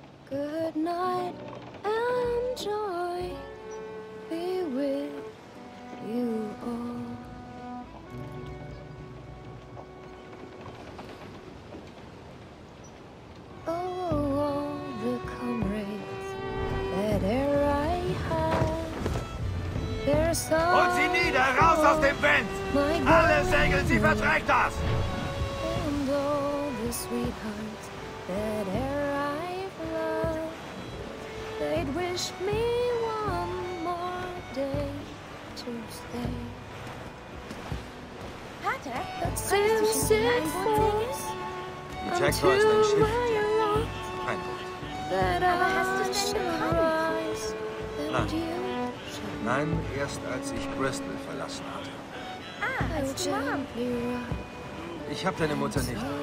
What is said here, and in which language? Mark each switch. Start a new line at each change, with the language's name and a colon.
English: Good night. Joy be with you all. Oh, all the comrades that e'er I had, their song.
German: Und sie nieder, raus aus dem Wind! Alle Segel, sie verträgt das!
English: And all the sweethearts that e'er I've loved, they'd wish me one more day to stay. Pater, but since it falls unto my lot, that I should rise and you should.
German: Nein, erst als ich Bristol verlassen hatte. Ah, als du Mom. Ich hab deine Mutter nicht.